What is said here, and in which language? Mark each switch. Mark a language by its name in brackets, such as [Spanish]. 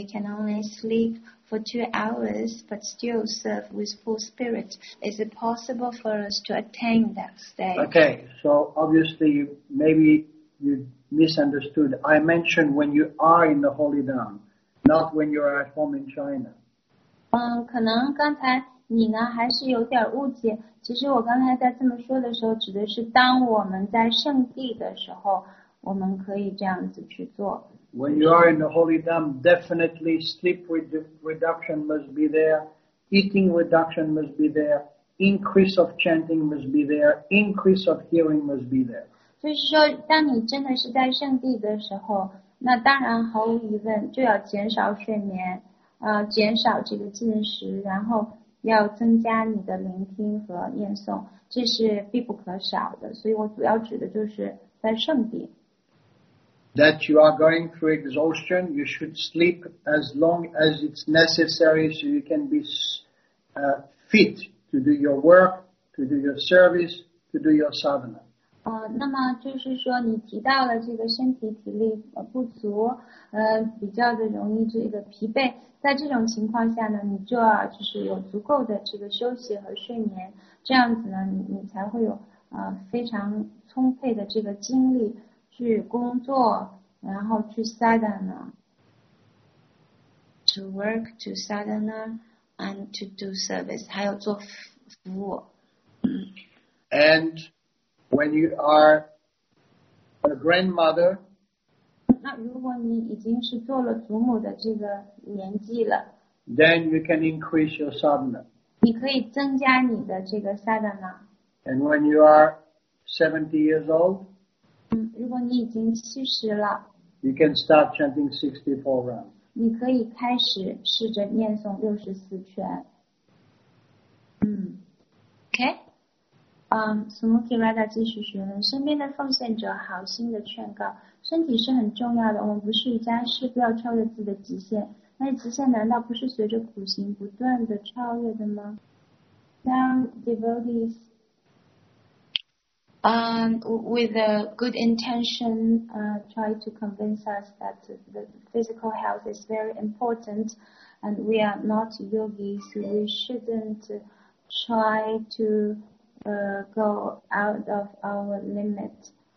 [English] They can only sleep for 2 hours but still serve with full spirit. Is it possible for us to attain that state? Okay, so obviously maybe you misunderstood. I mentioned when you are in the holy dham, not when you are at home in China. [Chinese] 可能刚才你呢还是有点误解其实我刚才在这么说的时候指的是当我们在圣地的时候我们可以这样子去做 [English] When you are in the holy dham definitely sleep reduction must be there eating reduction must be there increase of chanting must be there increase of hearing must be there [Chinese] 就是说当你真的是在圣地的时候那当然毫无疑问就要减少睡眠减少这个进食然后要增加你的聆听和念诵，这是必不可少的。所以我主要指的就是在圣地。 [English] That you are going through exhaustion, you should sleep as long as it's necessary so you can be fit to do your work, to do your service, to do your sadhana. [Chinese] 那么就是说你提到了这个身体体力不足，比较的容易这个疲惫。在这种情况下呢，你就要就是有足够的这个休息和睡眠，这样子呢，你才会有非常充沛的这个精力去工作，然后去 sadhana， [English] to work, to sadhana, and to do service， [Chinese] 还有做服务。 [English] And when you are a grandmother。 [Chinese] 那如果你已经是做了祖母的这个年纪了 [English] ，then you can increase your sadhana. [Chinese] 你可以增加你的这个 sadhana. [English] And when you are 70 years old, [Chinese] 如果你已经七十了 [English] ，you can start chanting 64 rounds. [Chinese] 你可以开始试着念诵64圈。 [English] Okay. [Chinese] Sumuki Rada 继续询问，身边的奉献者好心的劝告，身体是很重要的，我们不是瑜伽师，不要超越自己的极限。那极限难道不是随着苦行不断的超越的吗？ [English] Now devotees. With a good intention, try to convince us that the physical health is very important and we are not yogis, we shouldn't try to go out of our limit.